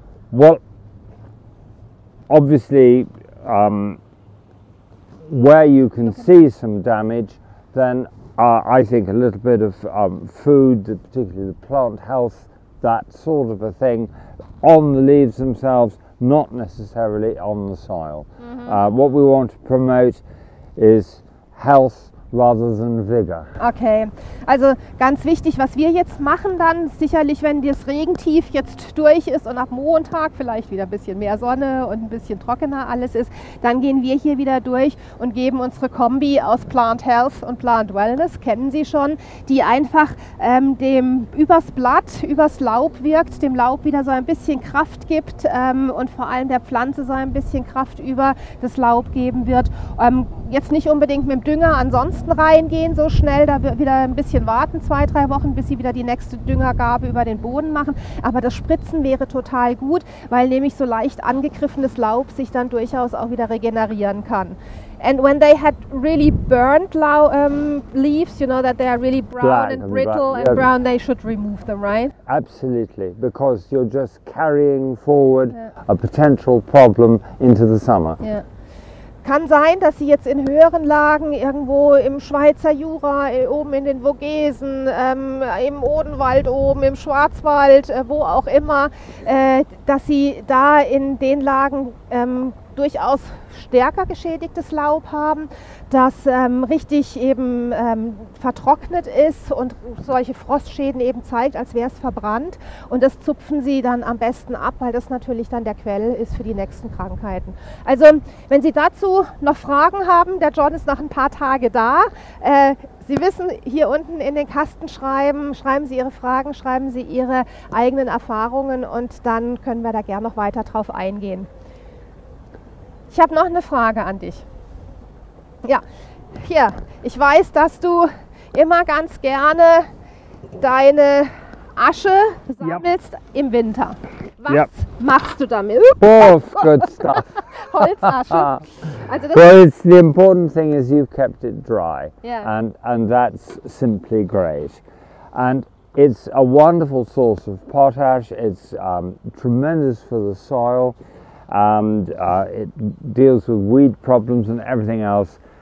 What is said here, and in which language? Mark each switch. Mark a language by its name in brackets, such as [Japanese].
[English] Well, obviously, where you can see some damage, then I think a little bit of food, particularly the plant health, that sort of a thing, on the leaves themselves, not necessarily on the soil. Mm-hmm. What we want to promote is health rather than vigor. [German] Okay, also ganz wichtig, was wir jetzt machen dann, sicherlich wenn das Regentief jetzt durch ist und ab Montag vielleicht wieder ein bisschen mehr Sonne und ein bisschen trockener alles ist, dann gehen wir hier wieder durch und geben unsere Kombi aus Plant Health und Plant Wellness, kennen Sie schon, die einfach dem übers Blatt, übers Laub wirkt, dem Laub wieder so ein bisschen Kraft gibt und vor allem der Pflanze so ein bisschen Kraft über das Laub geben wird. Jetzt nicht unbedingt mit dem Dünger, ansonsten reingehen so schnell, da wieder ein bisschen warten, 2-3 Wochen, bis sie wieder die nächste Düngergabe über den Boden machen. Aber das Spritzen wäre total gut, weil nämlich so leicht angegriffenes Laub sich dann durchaus auch wieder regenerieren kann. [English] And when they had really burned leaves, you know that they are really brown and brittle, they should remove them, right? Absolutely, because you're just carrying forward a potential problem into the summer. Yeah. [German] Kann sein, dass Sie jetzt in höheren Lagen, irgendwo im Schweizer Jura, oben in den Vogesen, im Odenwald oben, im Schwarzwald, wo auch immer, dass Sie da in den Lagen durchaus stärker geschädigtes Laub haben, das richtig eben vertrocknet ist und solche Frostschäden eben zeigt, als wäre es verbrannt. Und das zupfen Sie dann am besten ab, weil das natürlich dann der Quell ist für die nächsten Krankheiten. Also wenn Sie dazu noch Fragen haben, der John ist nach ein paar Tagen da. Sie wissen, hier unten in den Kasten schreiben Sie Ihre Fragen, schreiben Sie Ihre eigenen Erfahrungen und dann können wir da gern noch weiter drauf eingehen. Ich habe noch eine Frage an dich. Ja, hier, ich weiß, dass du immer ganz gerne deine Asche sammelst im Winter. Was machst du damit? [English] Both good stuff. [German] Holzasche. [English] Also well, it's the important thing is you've kept it dry. Yeah. And that's simply great. And it's a wonderful source of potash. It's tremendous for the soil. And it deals with weed problems and everything else.